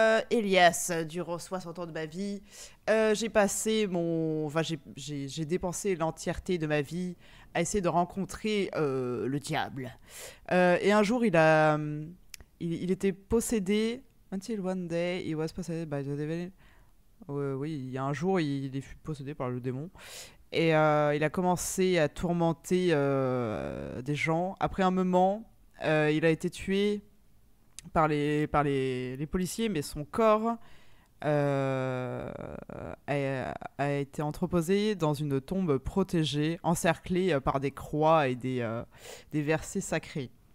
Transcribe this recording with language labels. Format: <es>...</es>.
<fr>Elias, durant 60 ans de ma vie, j'ai passé mon... Enfin, j'ai dépensé l'entièreté de ma vie à essayer de rencontrer le diable. Et un jour, il était possédé...</fr> <en>Until one day, he was possessed by the devil.</en> <fr>Oui, il y a un jour, il est possédé par le démon. Et il a commencé à tourmenter des gens. Après un moment... il a été tué par les policiers, mais son corps a été entreposé dans une tombe protégée, encerclée par des croix et des versets sacrés.</fr>